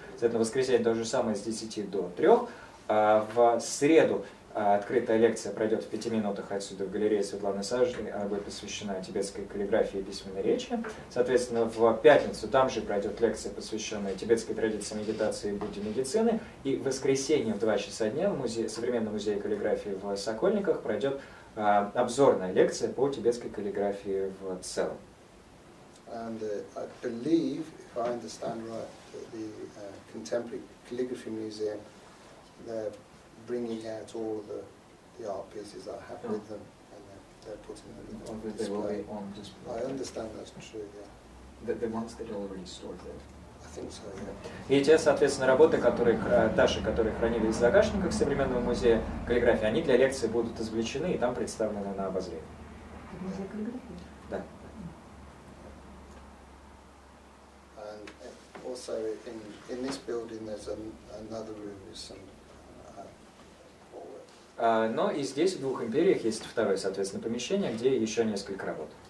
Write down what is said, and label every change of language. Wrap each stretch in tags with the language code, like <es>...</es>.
<ru>Соответственно, в воскресенье то же самое с 10 до 3, в среду открытая лекция пройдет в 5 минутах отсюда в галерее Светланы Сажиной, она будет посвящена тибетской каллиграфии и письменной речи. Соответственно, в пятницу там же пройдет лекция, посвященная тибетской традиции медитации и будде медицины. И в воскресенье в 2 часа дня в современном музее каллиграфии в Сокольниках пройдет обзорная лекция по тибетской каллиграфии в целом.</ru> <en>And I believe, if I understand right, the Contemporary Calligraphy Museum, bringing out all the art pieces that have with them, and they're putting them on display. On display. I understand that's true. Yeah. The ones that already stored there.</en> <ru>И те, соответственно, работы, которые Таши, которые хранились в загашниках современного музея каллиграфии, они для лекции будут извлечены и там представлены на обозрение. Музей каллиграфии. Да.</ru> <en>And also in this building there's another room with some.</en> <ru>Но и здесь, в двух империях, есть второе, соответственно, помещение, где еще несколько работ.</ru>